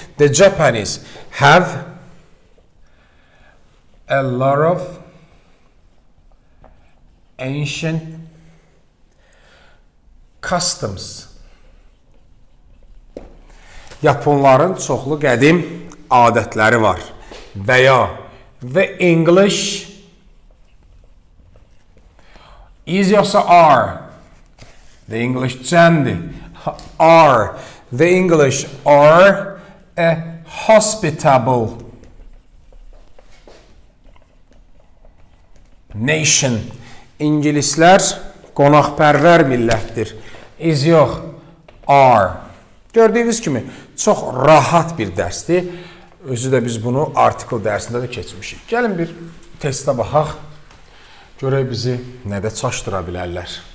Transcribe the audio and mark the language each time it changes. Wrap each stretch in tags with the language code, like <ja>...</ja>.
<en>The Japanese have a lot of ancient customs.</en> <az>Yaponların çoxlu qədim adətləri var. Və ya</az> <en>the English is</en> <az>yoxsa are. The English cəmdir. Are.</az> <en>The English are a hospitable nation.</en> <az>İngilislər qonaqpərvər millətdir. Is yox. Are. Gördüyünüz kimi çox rahat bir dərsdir. Özü də biz bunu artikl dərsində də keçmişik. Gəlin bir testə baxaq. Görək bizi nədə çaşdıra bilərlər.</az>